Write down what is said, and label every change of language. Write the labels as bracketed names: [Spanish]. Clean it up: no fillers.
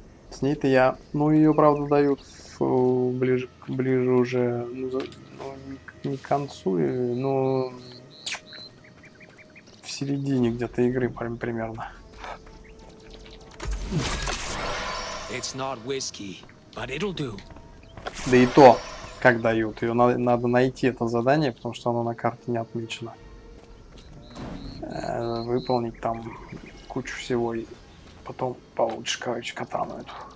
[Russian] С ней-то я, ну, ее правда дают ближе уже, ну, не к концу, но в середине где-то игры примерно. [English] It's not whiskey, but it'll do. [Russian] Да и то как дают ее, надо найти это задание, потому что оно на карте не отмечено. Выполнить там кучу всего и потом получишь, короче, катану эту.